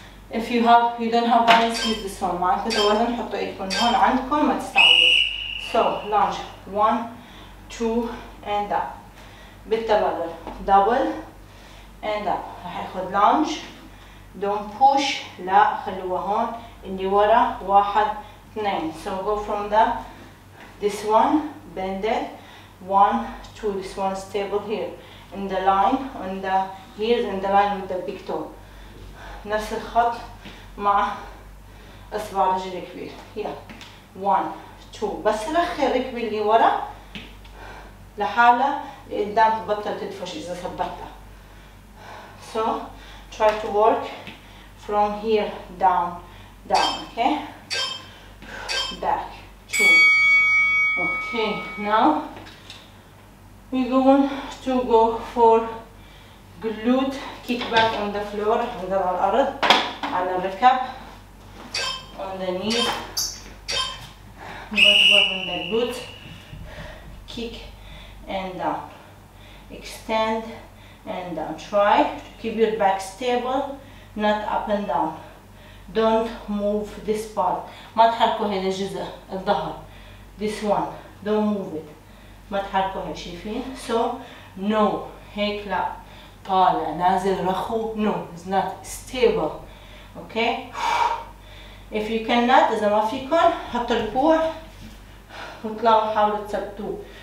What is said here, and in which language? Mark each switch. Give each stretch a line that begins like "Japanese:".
English: If you have, you don't have balance, use this one.
Arabic: معناته توازن حطوا ايدكم هون عندكم ما تستعملوا.
English: So, lunge. One, two, and up.
Arabic: بالتبادل.
English: Double, and up.
Arabic: رح ياخذ
English: lunge. Don't push.
Arabic: لا خلوها هون. اللي ورا. واحد, اثنين.
English: So, go from the this one. Bend it. One, two. This one is stable here. In the line, on the heels, in the line with the big toe.
Arabic: نفس الخط مع اصبع رجل كبير.
English: Yeah. One, two.
Arabic: بس رخي ركبي اللي ورا لحالة لقدام تبطل تدفش إذا ثبتها.
English: So, try to work from here down, down. Okay? Back. Two. Okay, now we're going to go for glute kickback on the floor.
Arabic: هذا على الأرض على الركب.
English: On the knees. Good work on the glute. Kick and down. Extend and down. Try to keep your back stable, not up and down. Don't move this part.
Arabic: ما تحركوا هذا الجزء الظهر.
English: This one. Don't move it.
Arabic: ما تحركوا هاي شايفين.
English: So, no.
Arabic: هيك لا. طالع نازل رخو. No.
English: It's not stable. Okay. If you cannot,
Arabic: إذا ما فيكم حطوا الكوع وطلعوا حاولوا تثبتوه.